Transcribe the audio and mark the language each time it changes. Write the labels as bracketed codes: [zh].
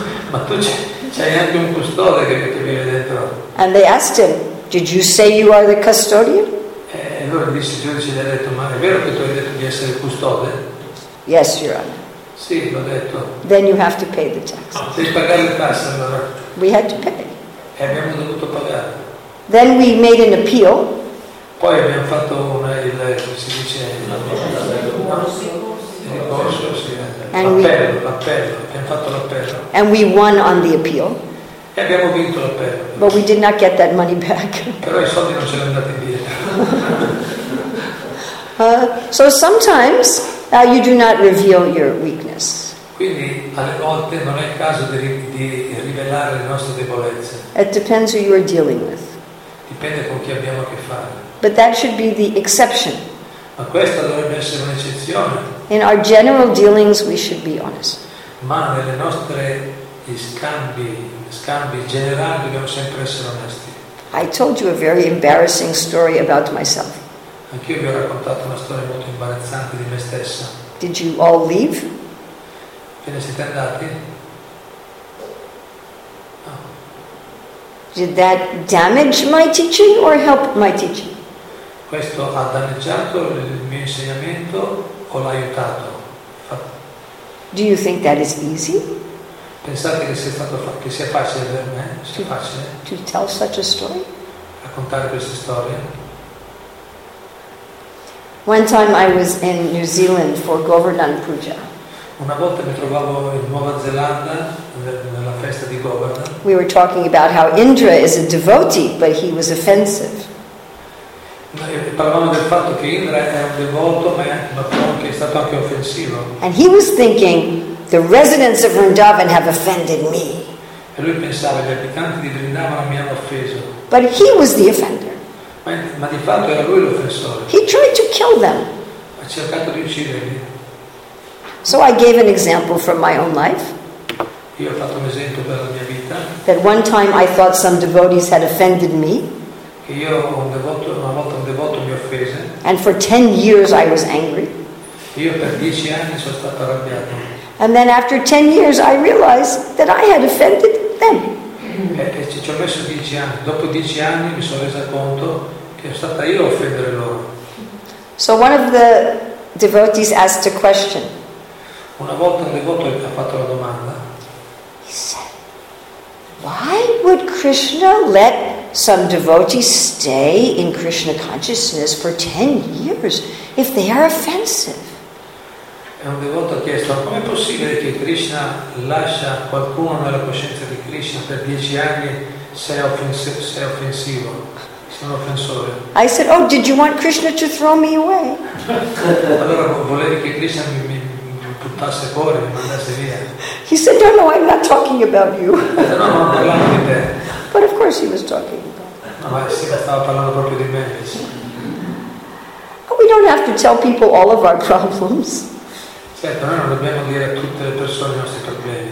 [it] Ma tu c'hai anche un custode che vive dentro. [en] And they asked him, "Did you say you are the custodian?" [it] E allora disse il giudice, gli ha detto, "Ma è vero che tu hai detto di essere il custode?" [en] "Yes, Your Honor." [it] "Sì, l'ho detto." [en] "Then you have to pay the tax." [it] Devi pagare le tasse allora. [en] We had to pay. [it] E abbiamo dovuto pagare. [en] Then we made an appeal. [it] Poi abbiamo fatto l'appello. Abbiamo fatto l'appello. [en] And we won on the appeal. [it] E abbiamo vinto l'appello. [en] But we did not get that money back. [it] Però i soldi non ce li andati indietro. [en] So sometimes you do not reveal your weakness. [it] Quindi alle volte non è il caso di rivelare le nostre debolezze. [en] It depends who you are dealing with. [it] Dipende con chi abbiamo a che fare. [en] But that should be the exception. [it] Ma questa dovrebbe essere un'eccezione. [en] In our general dealings we should be honest. [it] Ma nelle nostre scambi generali dobbiamo sempre essere onesti. [en] I told you a very embarrassing story about myself. [it] Anch'io vi ho raccontato una storia molto imbarazzante di me stessa. [en] Did you all leave? [it] Ve ne siete andati? [en] No. Did that damage my teaching or help my teaching? [it] Questo ha danneggiato il mio insegnamento o l'ha aiutato? [en] Do you think that is easy? [it] Pensate che sia facile per me? Sia facile? [en] To tell such a story? [it] Raccontare queste storie? [en] One time I was in New Zealand for Govardhan Puja. [it] Una volta mi trovavo in Nuova Zelanda nella festa di Govardhan. [en] We were talking about how Indra is a devotee, but he was offensive. [it] Noi parlavamo del fatto che Indra è un devoto, ma è stato anche offensivo. [en] And he was thinking, "The residents of Vrindavan have offended me." [it] E lui pensava, gli abitanti di Vrindavan mi hanno offeso. [en] But he was the offender. [it] Ma di fatto era lui l'offensore. [en] He tried to kill them. [it] Ha cercato di ucciderli. [en] So I gave an example from my own life. [it] Io ho fatto un esempio per la mia vita. [en] That one time I thought some devotees had offended me. [it] Che io una volta un devoto mi offese. [en] And for 10 years I was angry. [it] Io per 10 anni sono stato arrabbiato. [en] And then after 10 years I realized that I had offended them. [it] E ci ho messo 10 anni. Dopo 10 anni mi sono resa conto che sono stata io a offendere loro. [en] So one of the devotees asked a question. [it] Una volta un devoto ha fatto la domanda. [en] Why would Krishna let some devotees stay in Krishna consciousness for 10 years if they are offensive? [it] E un devoto ha chiesto: come è possibile che Krishna lascia qualcuno nella coscienza di Krishna per 10 anni se è offensore? [en] I said, oh, did you want Krishna to throw me away? [it] Allora volevi che Krishna mi buttasse fuori, mi mandasse via? [en] He said, no, I'm not talking about you. [it] No, non parlavo di te. [en] But of course he was talking about me. [it] Ma sì, stava parlando proprio di me. [en] We don't have to tell people all of our problems. [it] Certo, noi non dobbiamo dire a tutte le persone i nostri problemi.